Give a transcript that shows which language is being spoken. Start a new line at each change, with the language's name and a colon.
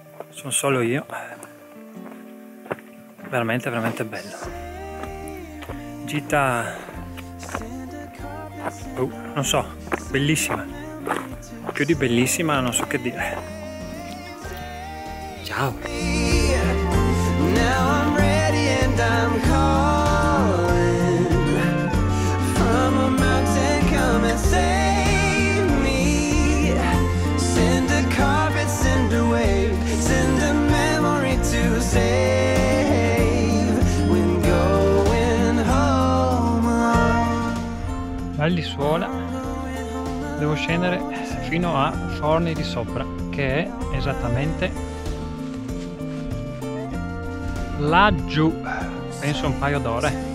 Italian: Sono solo io, veramente veramente bello. Gita, non so, bellissima, più di bellissima non so che dire. Ciao.
English: Now I'm ready and I'm calling from a mountain, come and save me. Send a carpet, send a wave, send a memory to save when going home.
Italian: Val di Suola, devo scendere fino a Forni di Sopra, che è esattamente laggiù, penso un paio d'ore.